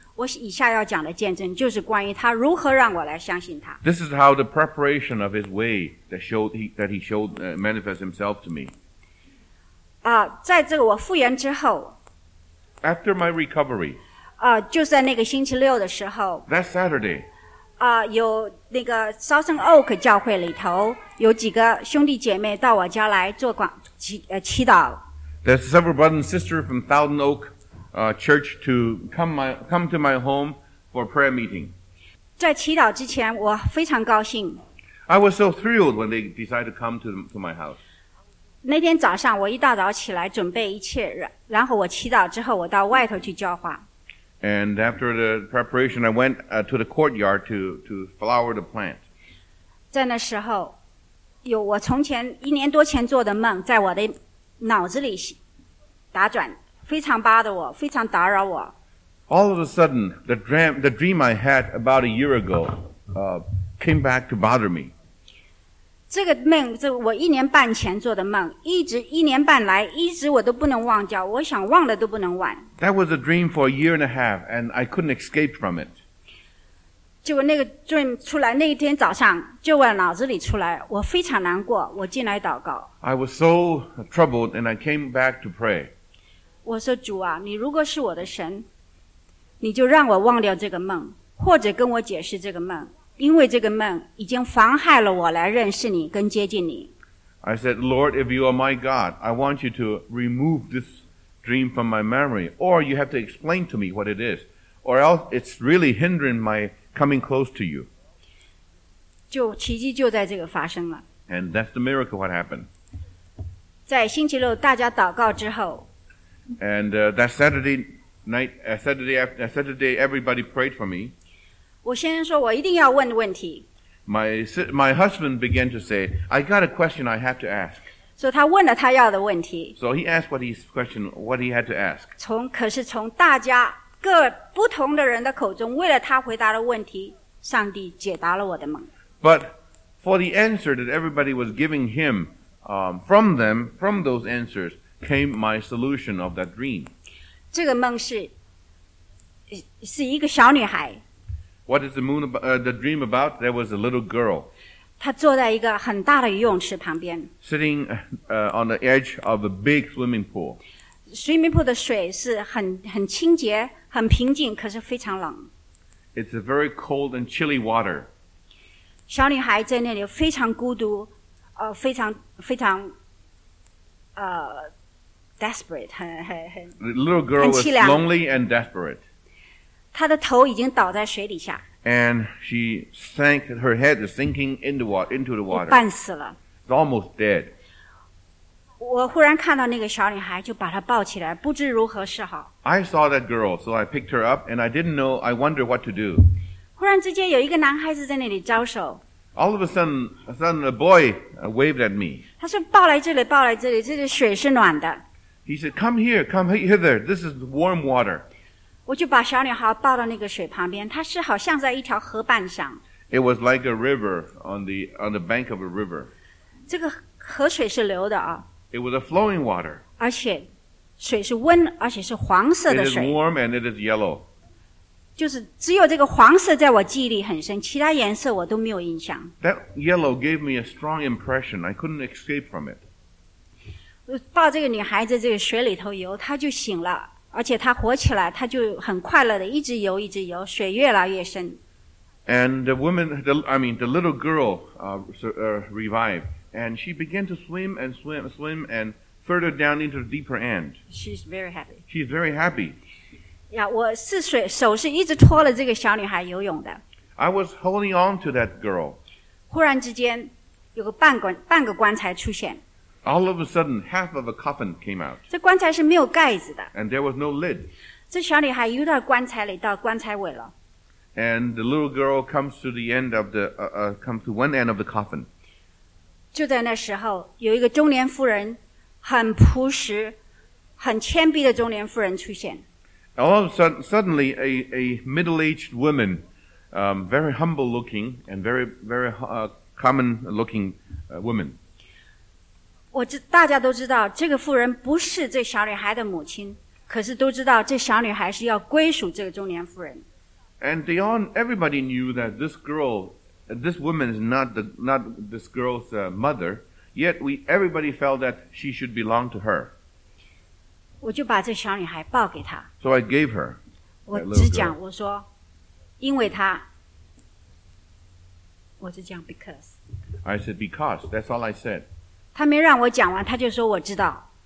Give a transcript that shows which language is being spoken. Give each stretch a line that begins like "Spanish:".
Chinese: 我以下要讲的见证就是关于他如何让我来相信他。
English: This is how the preparation of his way that he showed manifest himself to me.
Chinese: 在这个我复原之后。
English: After my recovery.
Chinese: 就在那个星期六的时候。
English: That Saturday.
Chinese: 有那个 Southern Oak 教会里头有几个兄弟姐妹到我家来做祈祷。
English: There's several brothers and sisters from Southern Oak Church to come to my home for prayer meeting.
Chinese: 在祈祷之前，我非常高兴。
English: I was so thrilled when they decided to come to my house.
Chinese: 那天早上，我一大早起来准备一切，然后我祈祷之后，我到外头去浇花。
English: And after the preparation, I went to the courtyard to flower the plant.
Chinese: 在那时候，有我从前一年多前做的梦在我的脑子里打转，非常bother我，非常打扰我。
English: All of a sudden, the dream I had about a year ago came back to bother me.
Chinese: 这个梦，这我一年半前做的梦，一年半来我都不能忘掉，我想忘了都不能忘。
English: That was a dream for a year and a half, and I couldn't escape from it.
Chinese: 结果那个 dream 出来，那一天早上就往脑子里出来，我非常难过，我进来祷告。
English: I was so troubled, and I came back to pray.
Chinese: 我说主啊，你如果是我的神，你就让我忘掉这个梦，或者跟我解释这个梦。因为这个梦已经妨害了我来认识你跟接近你。
English: I said, Lord, if you are my God, I want you to remove this dream from my memory, or you have to explain to me what it is, or else it's really hindering my coming close to you.
Chinese: 就奇迹就在这个发生了。
English: And that's the miracle what happened.
Chinese: 在星期六大家祷告之后。
English: And that Saturday night, Saturday everybody prayed for me.
Chinese: 我先生说我一定要问问题。
English: My husband began to say, I got a question I have to ask.
Chinese: So 他问了他要的问题。
English: So he asked what he had to ask.
Chinese: 可是从大家各不同的人的口中为了他回答的问题上帝解答了我的梦。
English: But For the answer that everybody was giving him, from them, from those answers, came my solution of that dream.
Chinese: 这个梦是一个小女孩。
English: What is the moon about, the dream about? There was a little girl.
Chinese: 她坐在一个很大的游泳池旁边。
English: Sitting on the edge of a big swimming pool.
Chinese: Swimming pool 的水是很清洁很平静可是非常冷。
English: It's a very cold and chilly water.
Chinese: 小女孩在那里非常孤独非常非常desperate, 很
English: The little girl was lonely and desperate.
Chinese: 她的头已经倒在水底下。
English: And she sank, her head is sinking into the water.
Chinese: 半死了。
English: It's almost dead.
Chinese: 我忽然看到那个小女孩就把她抱起来不知如何是好。
English: I saw that girl, so I picked her up, and I didn't know, I wonder what to do.
Chinese: 忽然之间有一个男孩子在那里招手。
English: All of a sudden, a boy waved at me.
Chinese: 他说抱来这里抱来这里这里水是暖的。
English: He said, come here, come hither, this is warm water.
Chinese: 我就把小女孩抱到那个水旁边她是好像在一条河畔上。
English: It was like a river on the bank of a river.
Chinese: 这个河水是流的啊。
English: It was a flowing water.
Chinese: 而且水是温而且是黄色的水。
English: It is warm and it is yellow.
Chinese: 就是只有这个黄色在我记忆里很深其他颜色我都没有印象。
English: That yellow gave me a strong impression. I couldn't escape from it.
Chinese: 抱这个女孩子这个水里头游她就醒了而且她活起来她就很快乐的一直游一直游水越来越深。
English: And the woman, the little girl, revived, and she began to swim and swim, swim and further down into the deeper end. She's very happy. She's very happy.
Chinese: Yeah, 我是水手是一直拖了这个小女孩游泳的。
English: I was holding on to that girl.
Chinese: 忽然之间有个半个棺材出现。
English: All of a sudden, half of a coffin came out.
Chinese: 这棺材是没有盖子的。
English: And there was no lid.
Chinese: 这小女孩游到棺材里，到棺材尾了。
English: And the little girl comes to the end of the, comes to one end of the coffin.
Chinese: 就在那时候，有一个中年妇人，很朴实，很谦卑的中年妇人出现。
English: All of a sudden, suddenly, a middle-aged woman, very humble-looking and very, very common-looking woman.
Chinese: 大家都知道这个妇人不是这小女孩的母亲可是都知道这小女孩是要归属这个中年妇人。
English: And everybody knew that this girl, this woman is not this girl's mother, yet everybody felt that she should belong to her.
Chinese: 我就把这小女孩抱给她。
English: So I gave her.
Chinese: 我只讲我说因为她。我只讲 because.
English: I said because, that's all I said.
Chinese: 他没让我讲完他就说我知道。